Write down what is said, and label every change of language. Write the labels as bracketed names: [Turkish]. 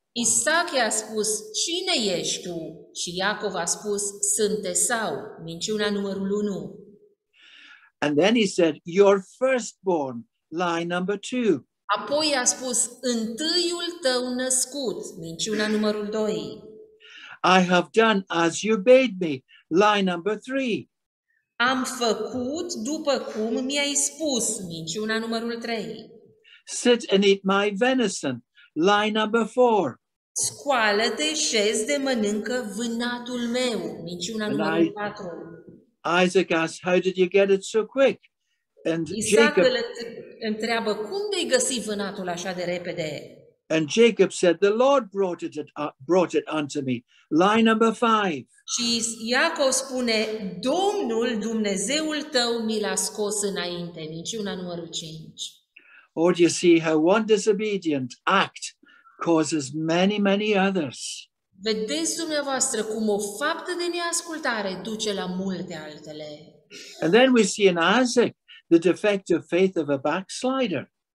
[Romanian] Isaac i-a spus, cine ești tu? Și Iacov a spus, sunt Esau, minciunea numărul 1. [English] And then he said, your firstborn, lie number 2. [Romanian] Apoi i-a spus, întâiul tău născut, minciunea numărul 2. [English] I have done as you bade me, lie number 3. [Romanian] Am făcut după cum mi-ai spus, minciunea numărul 3. [English] Sit and eat my venison, lie number 4. [Romanian] Scoală-te, șezi de mănâncă vânatul meu, minciunea numărul 4. [English] Isaac asked, how did you get it so quick? And [Romanian] Jacob întreabă, cum de-ai găsit vânatul așa de repede? [English] And Jacob said, the Lord brought it unto me, lie number 5. [Romanian] Și Iacov spune, Domnul, Dumnezeul tău, mi l-a scos înainte, minciuna numărul 5. [English] Or do you see how one disobedient act causes many, many others? [Romanian] Vedeți dumneavoastră cum o faptă de neascultare duce la multe altele. [English] And then we see in Isaac the defect of faith of a backslider.